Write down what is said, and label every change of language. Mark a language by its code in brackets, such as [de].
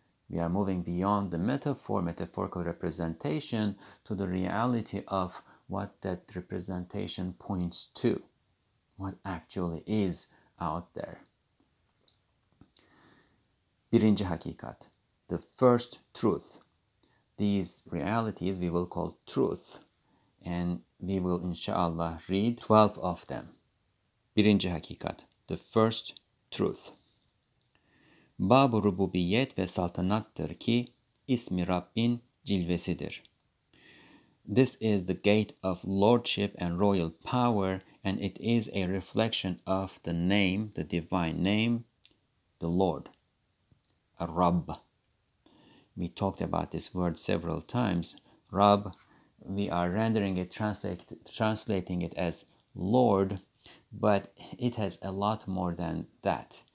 [en] We are moving beyond the metaphorical representation to the reality of what that representation points to, what actually is out there. [tr] Birinci hakikat, [en] the first truth. These realities we will call truth, and we will inshallah read 12 of them. [tr] Birinci hakikat, [en] the first truth. [tr] Bab-ı rububiyet ve saltanattır ki ismi Rabbin cilvesidir. [en] This is the gate of lordship and royal power, and it is a reflection of the name, the divine name, the Lord, Rabb. We talked about this word several times. Rabb, we are rendering it, translating it as Lord, but it has a lot more than that.